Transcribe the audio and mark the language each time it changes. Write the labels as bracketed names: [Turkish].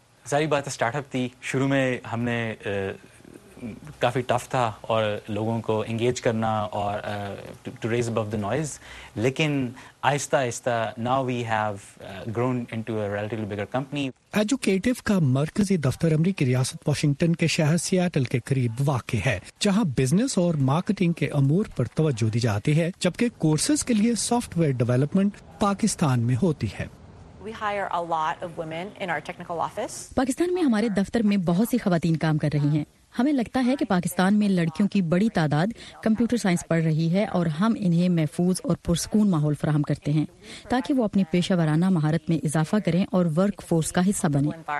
[Urdu] ظاہری بات ہے اسٹارٹ اپ تھی، شروع میں ہم نے کافی ٹف تھا اور لوگوں کو انگیج کرنا اور to raise Abu the noise, لیکن آہستہ آہستہ now we have grown into a relatively bigger company. Educative کا مرکزی دفتر امریکی ریاست واشنگٹن کے شہر سیاٹل کے قریب واقع ہے، جہاں بزنس اور مارکیٹنگ کے امور پر توجہ دی جاتی ہے، جبکہ کورسز کے لیے سافٹ ویئر ڈیولپمنٹ پاکستان میں ہوتی ہے۔ [English] We hire a lot of women in our technical office. [Urdu] Pakistan میں ہمارے دفتر میں بہت سی خواتین کام کر رہی ہیں۔ ہمیں لگتا ہے کہ پاکستان میں لڑکیوں کی بڑی تعداد کمپیوٹر سائنس پڑھ رہی ہے، اور ہم انہیں محفوظ اور پرسکون ماحول فراہم کرتے ہیں تاکہ وہ اپنی پیشہ ورانہ مہارت میں اضافہ کریں اور ورک فورس کا حصہ بنیں۔